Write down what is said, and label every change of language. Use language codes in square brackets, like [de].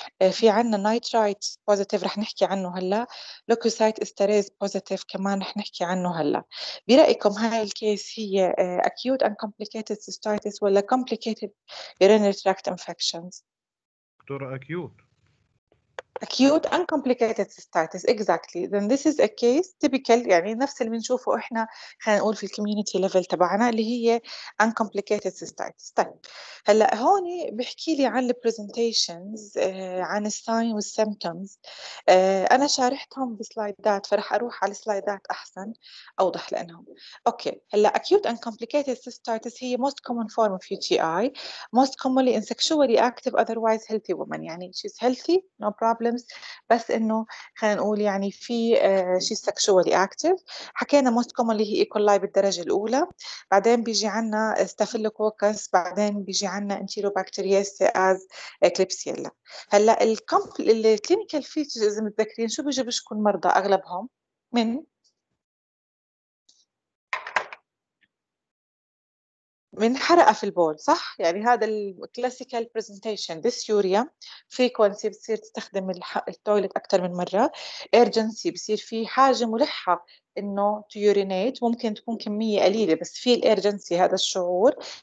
[ar] في عنا nitrite positive رح نحكي عنه هلا. Leukocyte esterase positive كمان رح نحكي عنه هلا. برأيكم هاي الكيس هي acute uncomplicated cystitis ولا complicated urinary tract infections؟ دكتورة acute. [en] Acute uncomplicated cystitis, exactly. Then this is a case typical, [ar] يعني نفس اللي بنشوفه احنا خلينا نقول في الكوميونتي ليفل تبعنا اللي هي uncomplicated cystitis. طيب هلا هون بحكي لي عن البرزنتيشنز، عن الساين والسيمبتومز. انا شارحتهم بسلايدات فرح اروح على السلايدات احسن اوضح لانهم. [en] Okay هلا acute uncomplicated cystitis هي most common form of UTI, most commonly in sexually active otherwise healthy woman. يعني she's healthy, no problem. [ar] بس انه خلينا نقول يعني في شيء سكشوالي اكتيف. حكينا موست كومون اللي هي ايكولاي بالدرجه الاولى، بعدين بيجي عنا ستافيلوكوكس، بعدين بيجي عنا انتيروباكتيريس از اكليبسيلا. هلا الكلينيكال فيتشرز اذا متذكرين شو بيجي بشكو المرضى اغلبهم من حرقة في البول، صح؟ يعني هذا الكلاسيكال برزنتيشن، ديسيوريا، فريكوانسي بتصير تستخدم التويلت أكثر من مرة، ايرجنسي بصير في حاجة ملحة إنه تو يورينيت، ممكن تكون كمية قليلة بس في الايرجنسي هذا الشعور،